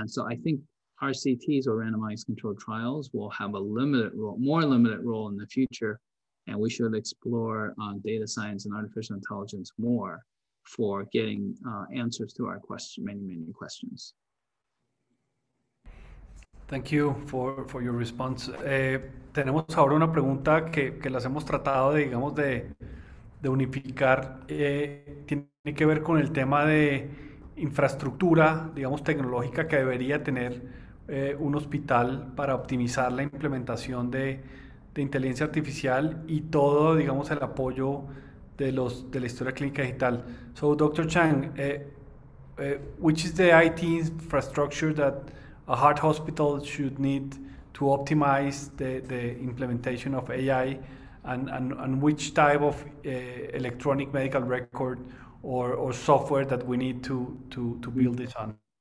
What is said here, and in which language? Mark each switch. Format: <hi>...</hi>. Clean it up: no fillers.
<en>And so I think RCTs or randomized controlled trials will have a more limited role in the future. And we should explore data science and artificial intelligence more for getting answers to our many questions. Thank you for your response.</en> <es>Tenemos ahora una pregunta que las hemos tratado de, digamos, de unificar. Tiene que ver con el tema de infraestructura, digamos, tecnológica que debería tener un hospital para optimizar la implementación de inteligencia artificial y todo, digamos, el apoyo de la historia clínica digital.</es> <en>So, Dr. Chang, which is the IT infrastructure that a heart hospital should need to optimize the implementation of AI, and which type of electronic medical record or software that we need to build this on?</en>